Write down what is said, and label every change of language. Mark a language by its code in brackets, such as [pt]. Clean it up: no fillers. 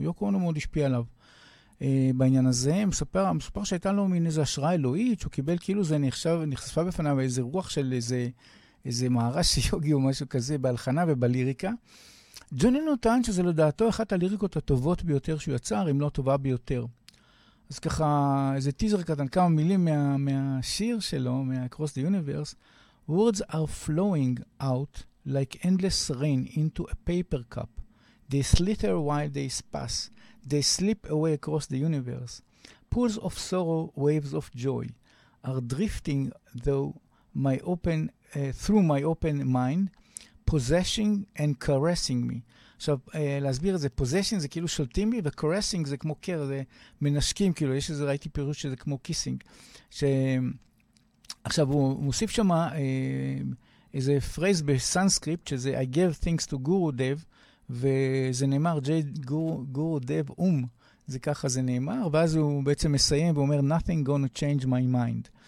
[he] יוקו אונו מאוד השפיע עליו בעניין הזה. מספר שהייתה לו מין איזו השראה אלוהית, שהוא קיבל כאילו זה נחשפה בפניו איזה רוח של איזה מערש יוגי או משהו כזה, בהלחנה ובליריקה. ג'ון לנון טען שזה לדעתו אחת הליריקות הטובות ביותר שהוא יצר, אם לא הטובה ביותר. אז ככה, איזה טיזר קטן, כמה מילים מהשיר שלו, מה-Across the Universe. [en] Words are flowing out like endless rain into a paper cup. They slither while they pass. They slip away across the universe. Pools of sorrow, waves of joy are drifting through my open mind, possessing and caressing me. [he] עכשיו, להסביר את זה, possession זה כאילו שולטים בי, ו-caressing זה כמו care, זה מנשקים, כאילו, יש איזה, ראיתי פירוש שזה כמו kissing, ש... עכשיו, הוא מוסיף שם איזה פרייז בסנסקריפט, שזה [en] I give things to Guru Dev, [he] וזה נאמר Guru Dev זה ככה זה נאמר, ואז הוא בעצם מסיים ואומר [en] Nothing gonna change my mind.